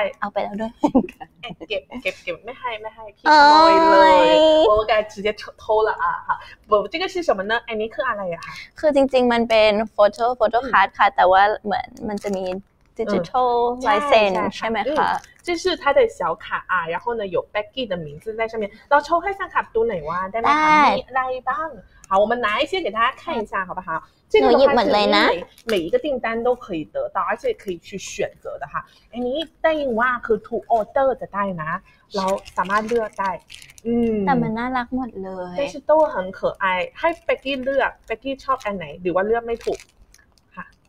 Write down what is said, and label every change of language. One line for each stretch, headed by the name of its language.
Thai: เอาไปแล้วด้วย เก็บไม่ให้พี่ขโมยเลยโอ้แก
Chinese: 直接偷了啊哈不这个是什么呢
Thai: อันนี้คืออะไรอะคะ คือจริงๆมันเป็นโฟโต้การ์ดค่ะแต่ว่าเหมือนมันจะมีดิจิทัลไลเซนใช่ไหมคะ
Chinese: 这是他的小卡啊然后呢有 Becky 的名字在上面
Thai: เราโชว์ให้แฟนคลับดูหน่อยว่าได้ไหมคะมีอะไรบ้าง
Chinese: 好我们拿一些给大家看一下好不好这个的话是每一个订单都可以得到而且可以去选择的哈哎你答应哇可以 to order 的带拿
Thai: เราสามารถเลือกได้ แต่มันน่ารักหมดเลย แต่ชิโต้
Chinese: 很可爱
Thai: ให้เป็กกี้เลือกเป็กกี้ชอบอันไหนหรือว่าเลือกไม่ถูกค่ะ